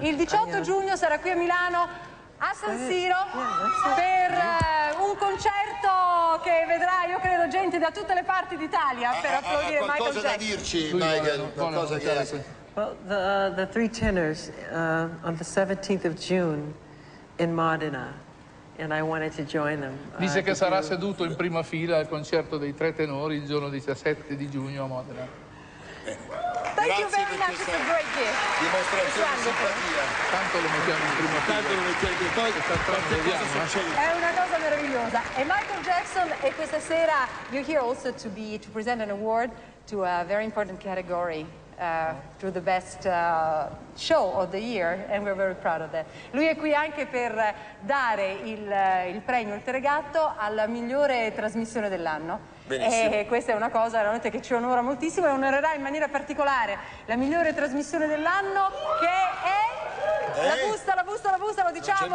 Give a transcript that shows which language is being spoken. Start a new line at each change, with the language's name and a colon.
Italian: Il 18 giugno sarà qui a Milano a San Siro per un concerto che vedrà, io credo, gente da tutte le parti d'Italia per applaudire Michael Jackson. Qualcosa da dirci, Michael? Qualcosa che
English: Well, the three tenors on the 17th of June in Modena. And I wanted to join them.
Italian: Dice che sarà seduto in prima fila al concerto dei tre tenori il giorno 17 di giugno a Modena.
English: Thank you very much, it's a great gift.
Italian: Dimostrazione di simpatia. Tanto lo mettiamo in prima fila. Tanto lo mettiamo in prima fila. È una cosa meravigliosa. E Michael Jackson, e questa sera
English: you're here also to present an award to a very important category. To the best show of the year, and we're very proud of that.
Italian: Lui è qui anche per dare il premio, il tregatto, alla migliore trasmissione dell'anno. Benissimo. E questa è una cosa veramente che ci onora moltissimo e onorerà in maniera particolare la migliore trasmissione dell'anno, che è la busta, lo diciamo,